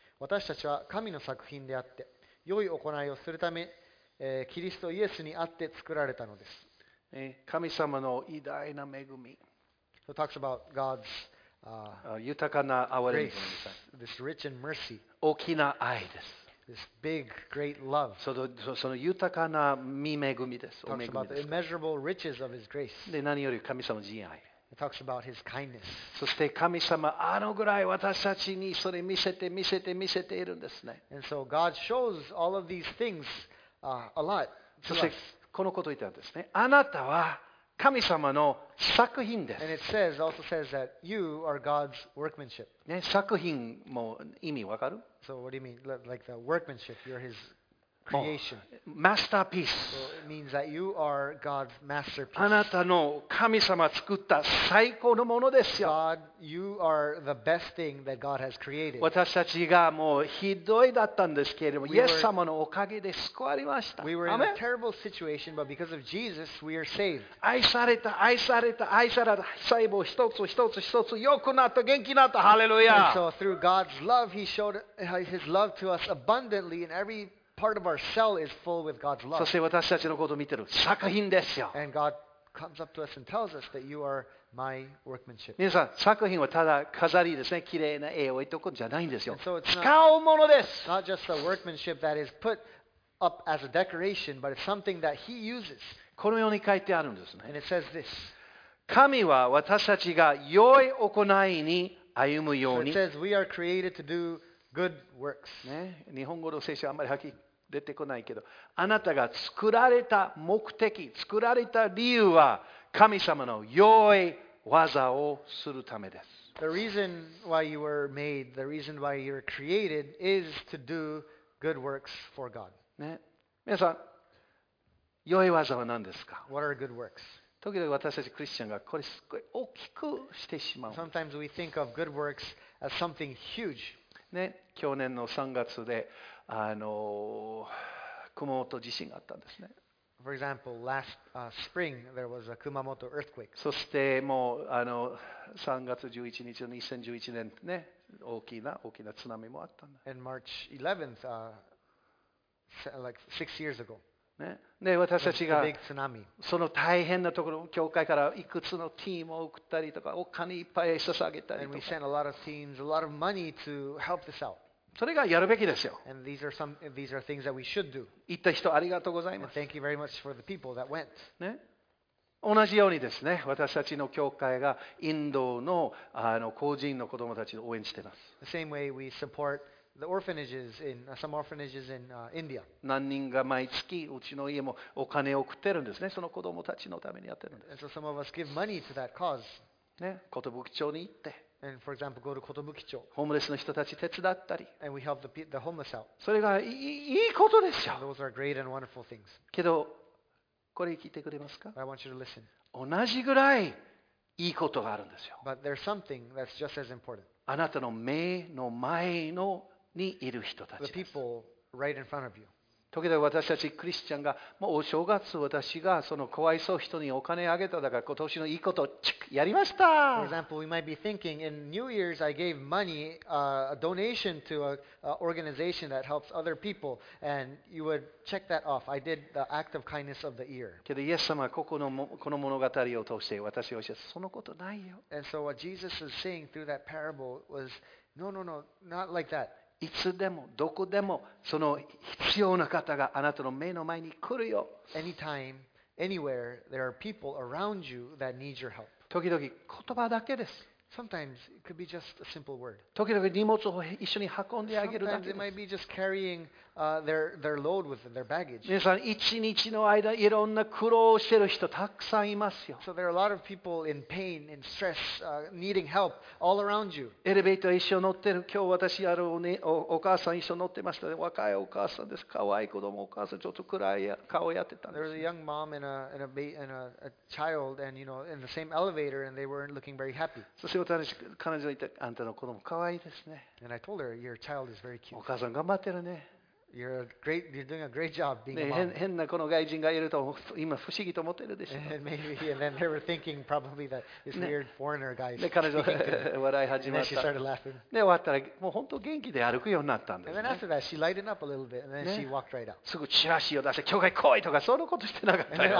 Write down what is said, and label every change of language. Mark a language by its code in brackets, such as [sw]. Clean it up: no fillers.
[ja] 私たちは神の作品であって、良い行いをするため、キリストイエスにあって作られたのです。神様の偉大な恵み。 [en] So it talks about God's, [ja] 豊かな憐れみ。 [en] Grace, this rich in mercy. [ja] 大きな愛です。 [en] This big, great love. [ja] その豊かな御恵みです。 [en] It talks about the immeasurable riches of His grace. [ja] で、何より神様の慈愛。 [en] It talks about his kindness. [ja] そして神様あのぐらい私たちにそれ見せているんですね。 [en] And so God shows all of these things a lot. [ja] そしてこのこと言ってあるんですね。あなたは神様の作品です。 [en] And it says also says that you are God's workmanship. [ja] ね、作品も意味わかる？ [en] So what do you mean? Like the workmanship, you're His creation. Masterpiece. So it means that you are God's masterpiece. [ja] あなたの神様作った最高のものですよ。 [en] God, you are the best thing that God has created. [ja] 私たちがもうひどいだったんですけれども、イエス様のおかげで救われました。 [en] We were in a terrible situation, but because of Jesus, we are saved. [ja] 愛された、愛された、愛された細胞一つ一つ一つ良くなった、元気になった、ハレルヤ。 [en] And so through God's love, He showed His love to us abundantly in everyPart of our cell is full with God's love. [ja] そして私たちのことを見てる作品ですよ。 [en] And God comes up to us and tells us that you are my workmanship. [ja] 皆さん、作品はただ飾りですね。綺麗な絵を置いておくんじゃないんですよ。 [en] So、 [ja] 使うものです。 [en] Not just a workmanship that is put up as a decoration, but it's something that He uses. [ja] このように書いてあるんですね。 [en] And it says this. [ja] 神は私たちが良い行いに歩むように。 [en] So、it says we are created to do good works.、 [ja] ね、日本語の聖書あんまりはっきり出てこないけど、あなたが作られた目的、作られた理由は神様の良い技をするためです。 [en] The reason why you were made, the reason why you were created is to do good works for God.、 [ja] ね、皆さん、良い技は何ですか? [en] What are good works? [ja] 時々私たちクリスチャンがこれすごい大きくしてしまう。 [en] Sometimes we think of good works as something huge.、 [ja] ね、去年の3月で熊本地震があったんですね。 [en] For example, last spring there was a Kumamoto earthquake. [ja] そしてもう3月11日の2011年ね、大きな津波もあったんだ。 [en] And March 11th, like 6 years ago. [ja] ね、で私たちが [en] big tsunami. [ja] その大変なところ、教会からいくつのチームを送ったりとか、お金いっぱい捧げたりとか。 [en] And we sent a lot of teams, a lot of money to help this out. [ja] それがやるべきですよ。 [en] And these are some, these are things that we should do. [ja] 行った人ありがとうございます。 [en] And thank you very much for the people that went.、 [ja] ね、同じようにですね、私たちの教会がインドの孤児院の子どもたちを応援しています。 [en] The same way we support the orphanages in some orphanages in India. [ja] 何人が毎月うちの家もお金を送ってるんですね、その子どもたちのためにやってるんです。 [en] And so some of us give money to that cause. [ja] ね、寿町に行って。 [en] And for example, go to Kotobuki 町。 [ja] ホームレスの人たち手伝ったり。 [en] And we help the homeless out. [ja] それがいいことですよ。 [en] Those are great and wonderful things. [ja] けど、これ聞いてくれますか? [en] I want you to listen. [ja] 同じぐらいいいことがあるんですよ。 [en] But there's something that's just as important. [ja] あなたの目の前のにいる人たちです。 [en] The people right in front of you. [ja] 時々私たちクリスチャンがもうお正月私がそのかわいそう人にお金あげただから今年のいいことチクやりました。 [en] For example, we might be thinking in New Year's I gave money, a donation to an organization that helps other people, and you would check that off. I did the act of kindness of the year. [ja] けどイエス様はこの物語を通して私を教えてそのことないよ。 [en] And so what Jesus is saying through that parable was, no, not like that. [ja] いつでもどこでもその必要な方があなたの目の前に来るよ。 [en] Anytime, anywhere, there are people around you that need your help. [ja] 時々言葉だけです。 [en] Sometimes it could be just a simple word. [ja] 時々荷物を一緒に運んであげるだけです。 [en] Sometimes it might be just carrying their load with their baggage. [ja] 皆さん一日の間いろんな苦労をしている人たくさんいますよ。 [en] So there are a lot of people in pain and stress, needing help all around you. [ja] エレベーター一緒乗ってる。今日私ある お母さん一緒乗ってました、ね。若いお母さんです。可愛い子供お母さんちょっと暗い顔やってたんです。 [en] There was a young mom and a child and you know in the same elevator and they weren't looking very happy. [ja] 彼女は言ってあんたの子供可愛いですね。 [en] And I told her, your child is very cute. [ja] お母さん頑張ってるね。 [en] You're doing a great job being a mom. [ja] 変なこの外人がいると今不思議と思ってるでしょ。 [en] And maybe, and then they were thinking probably that this weird foreigner guy. [ja] 彼女笑い始めた。 [en] She started laughing. [ja] で終わったらもう本当元気で歩くようになったんです、ね。 [en] And then after that, she lightened up a little bit, and then she walked right out. [ja] すぐチラシを出して教会来いとかそのことしてなかったよ。